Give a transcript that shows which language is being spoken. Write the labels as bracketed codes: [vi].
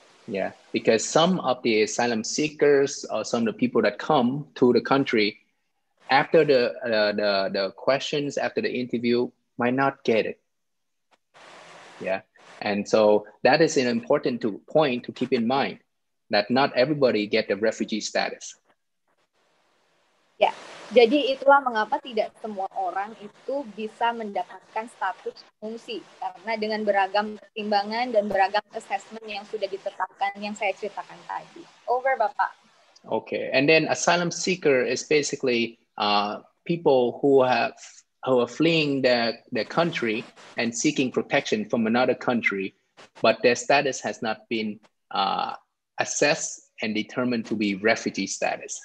[en] Yeah, because some of the asylum seekers or some of the people that come to the country after the questions, after the interview, might not get it. Yeah, and so that is an important point to keep in mind, that not everybody get the refugee status. Yeah. [id] Jadi itulah mengapa tidak semua orang itu bisa mendapatkan status pengungsi, karena dengan beragam pertimbangan dan beragam assessment yang sudah ditetapkan yang saya ceritakan tadi. [en] Over, Bapak. Okay, and then asylum seeker is basically people who are fleeing their country and seeking protection from another country, but their status has not been assessed and determined to be refugee status.